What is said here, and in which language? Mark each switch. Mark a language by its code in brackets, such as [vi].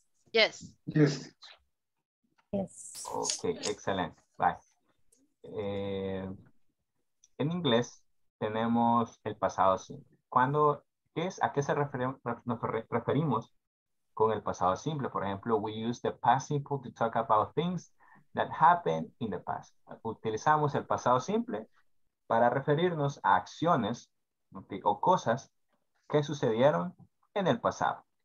[en] Yes. Yes. Yes. [es] Ok, excelente. Bye. En inglés tenemos el pasado simple. ¿Cuándo es? ¿A qué se nos referimos con el pasado simple? Por ejemplo, [en] we use the past simple to talk about things that happened in the past. [es] Utilizamos el pasado simple para referirnos a acciones o cosas que sucedieron en el pasado.